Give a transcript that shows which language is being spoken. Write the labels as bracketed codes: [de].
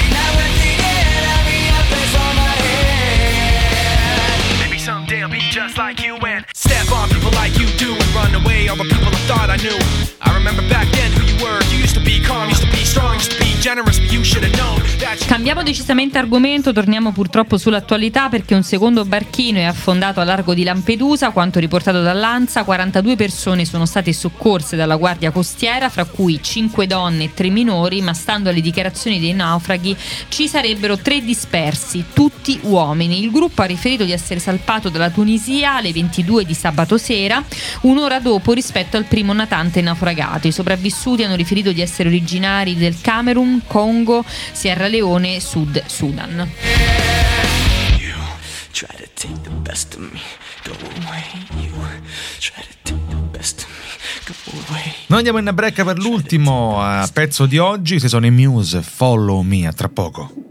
[en] Now in the air, I'll be a place for my head. Maybe someday I'll be just like you and step on people like you do and run away all the people I thought I knew. I remember back then who you were. You used to be calm, used to be strong, used to be generous, but you should have known. [it] Cambiamo decisamente argomento, torniamo purtroppo sull'attualità, perché un secondo barchino è affondato a largo di Lampedusa, quanto riportato dall'ANSA. 42 persone sono state soccorse dalla guardia costiera, fra cui 5 donne e 3 minori, ma stando alle dichiarazioni dei naufraghi ci sarebbero 3 dispersi, tutti uomini. Il gruppo ha riferito di essere salpato dalla Tunisia alle 22 di sabato sera, un'ora dopo rispetto al primo natante naufragato. I sopravvissuti hanno riferito di essere originari del Camerun, Congo, Sierra Leone, Sud Sudan. [en] take the best of me. Go away, you try to take the best of me. Go away. [it] Noi andiamo in break per l'ultimo pezzo di oggi. Se sono i Muse, Follow Me, a tra poco.